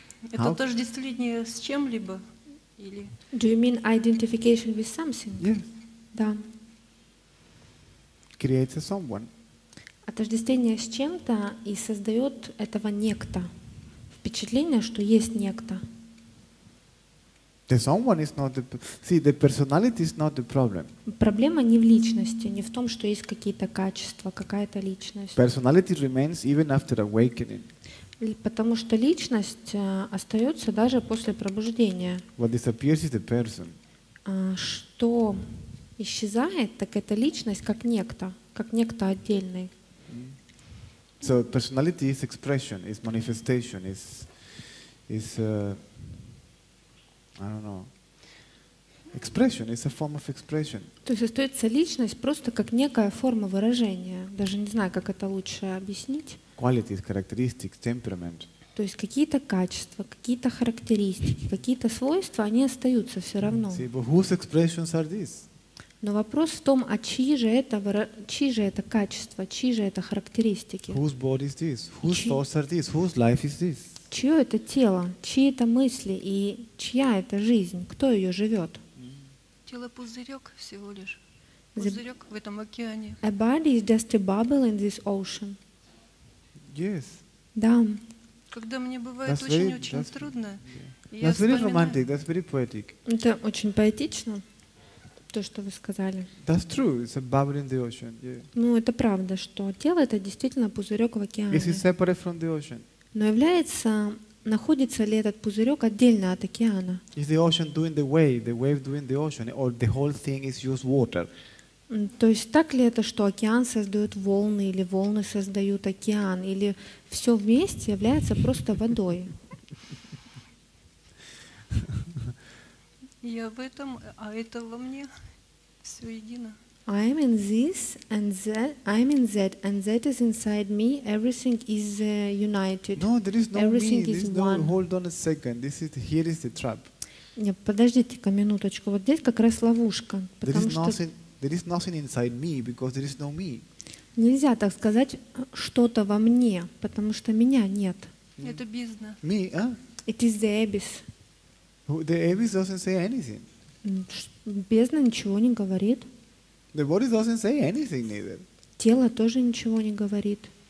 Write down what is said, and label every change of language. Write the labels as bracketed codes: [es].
[ru] Это отождествление с чем-либо? Или? [en] Do you mean identification with something? Yes. [ru] Да. [en] Creates a someone. [ru] Отождествление с чем-то и создает этого некто. Впечатление, что есть некто. [en] The someone is not the, see, the personality is not the problem. [ru] Проблема не в личности, не в том, что есть какие-то качества, какая-то личность. [en] Personality remains even after awakening. [ru] Потому что личность остается даже после пробуждения. [en] What disappears is the person. [ru] Что исчезает, так это личность как некто отдельный. [en] So personality is expression, is manifestation, is I don't know. Expression is a form of expression. [ru] То есть остается личность просто как некая форма выражения. Даже не знаю, как это лучше объяснить. [en] Qualities, characteristics, temperament. [ru] То есть какие-то качества, какие-то характеристики, какие-то свойства, они остаются все равно. [en] See, but whose expressions are these? [ru] Но вопрос в том, а чьи же это качества, чьи же это характеристики? [en] Whose body is this? Whose thoughts are these? Whose life is this? [ru] Чье это тело, чьи это мысли и чья это жизнь, кто ее живет? Тело пузырек всего лишь. Пузырек в этом океане. [en] A body is just a bubble in this ocean. Yes. [ru] Да. Когда мне бывает очень-очень трудно, [en] yeah. That's very romantic, that's very poetic. [ru] Это очень поэтично, то, что вы сказали. [en] That's true, it's a bubble in the ocean. Yeah. [ru] Ну, это правда, что тело — это действительно пузырек в океане. [en] Is it separate from the ocean? [ru] Но является, находится ли этот пузырек отдельно от океана? [en] Is the ocean doing the wave, the wave doing the ocean, or the whole thing is just water? [ru] То есть так ли это, что океан создает волны, или волны создают океан, или все вместе является просто водой? Я в этом, а это во мне все едино. [en] I'm in this and that. I'm in that and that is inside me. Everything is united. No, there is no Everything Everything is no, one. Hold on a second. This is here is the trap. [ru] Нет, подождите-ка минуточку. Вот здесь как раз ловушка, [en] There is nothing inside me because there is no me. [ru] Нельзя так сказать что-то во мне, потому что меня нет. Это бездна. [en] Me, а? It is the abyss. The abyss doesn't say anything. [ru] Бездна ничего не говорит. [en] The body doesn't say anything either. [ru] Тело тоже ничего не говорит.